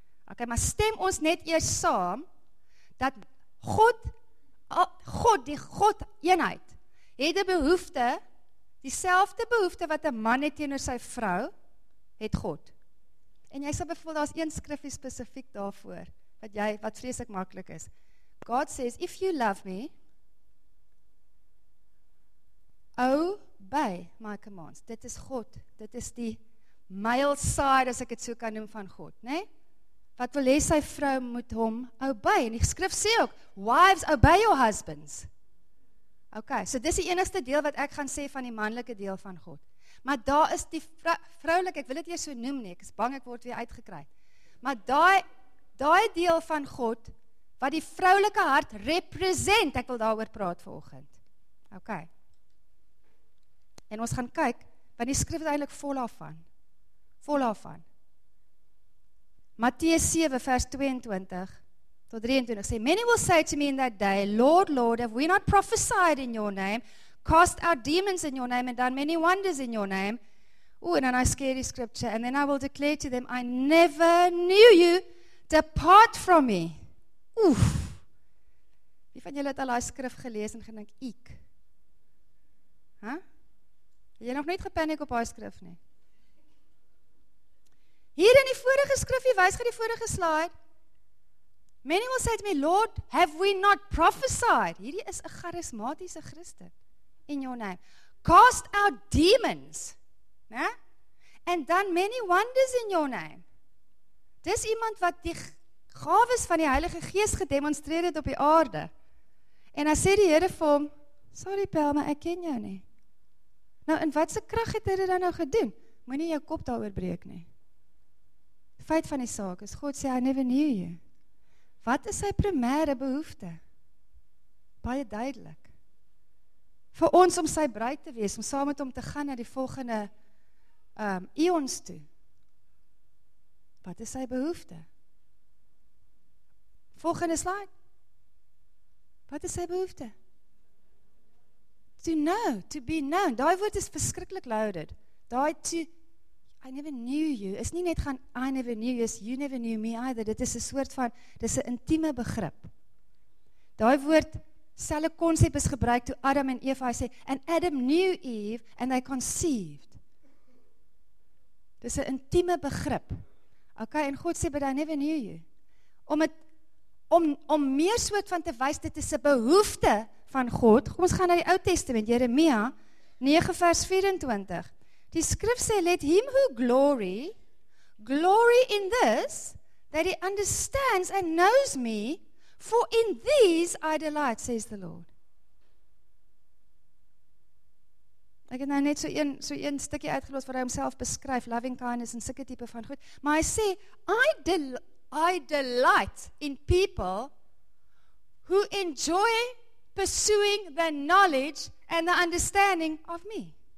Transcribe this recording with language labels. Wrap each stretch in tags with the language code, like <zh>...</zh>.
<af>OK, maar stem ons net eers saam dat God die God eenheid het 'n behoefte, dieselfde behoefte wat 'n man het teenoor sy vrou, het God. En jy sal bevoel daar's een skriffie spesifiek daarvoor wat jy wat vreeslik maklik is.</af> <en>God says, if you love me, obey my commands.</en> <af>Dit is God. Dit is die male side, as ek het so kan noem, van God. Nee? Wat wil hê sy vrou moet hom obey? En die skrif sê ook,</af> <en>wives, obey your husbands.</en> <af>Ok, so dis die enigste deel wat ek gaan sê van die manlike deel van God. Maar daar is die vroulik, ek wil dit hier so noem nie, ek is bang ek word weer uitgekry. Maar daai deel van God, wat die vroulike hart represent, ek wil daaroor praat vanoggend. OK. En ons gaan kyk, want die skrif is eintlik vol daarvan. Vol daarvan. Matteus 7 vers 22 tot 23 sê,</af> <en>many will say to me in that day, Lord, Lord, have we not prophesied in your name, cast out demons in your name and done many wonders in your name? Ooh, and then I scare the scripture, and then I will declare to them, I never knew you, depart from me.</en> <af>Oef. Wie van julle het al die skrif gelees en gedink ek? Huh? Jy nog net gepanik op die skrif nie? Hier in die vorige skrif, jy wys gaan die vorige slide.</af> <en>Many will say to me, Lord, have we not prophesied?</en> <af>Hierdie is 'n charismatiese Christen.</af> <en>In your name. Cast out demons.</en> <af>Né?</af> <en>And done many wonders in your name.</en> <af>Dis iemand wat die gawes van die Heilige Gees gedemonstreer het op die aarde. En hy sê die Here vir hom, sorry Pel, maar ek ken jou nie. Nou, in watse krag het hy dit dan nou gedoen? Moenie jou kop daaroor breek nie. Feit van die saak is, God sê,</af> <en>I never knew you.</en> <af>Wat is sy primêre behoefte? Baie duidelik. Vir ons om sy bruid te wees, om saam met hom te gaan na die volgende eons toe. Wat is sy behoefte? Volgende slide. Wat is sy behoefte?</af> <en>To know, to be known.</en> <af>Daai woord is verskriklik loaded.</af> <en>Daai to, I never knew you,</en> <af>is nie net gaan,</af> <en>I never knew you, is you never knew me either.</en> <af>Dit is 'n soort van, dit is 'n intieme begrip. Daai woord, selfe konsep is gebruik toe Adam en Eva sê,</af> <en>and Adam knew Eve, and they conceived.</en> <af>Dit is 'n intieme begrip. Ok, en God sê,</af> <en>but I never knew you.</en> <af>Om het, om meer soort van te wys, dit is 'n behoefte van God. Kom, ons gaan na die Ou Testament, Jeremia 9 vers 24. Die skrif sê,</af> <en>let him who glory, glory in this, that he understands and knows me, for in these I delight, says the Lord.</en> <af>Ek het nou net so een stukkie uitgelos waar hy homself beskryf,</af> <en>loving kindness</en> <af>en sulke tipe van goed. Maar hy sê,</af> <en>I delight in people who enjoy pursuing the knowledge and the understanding of me.</en>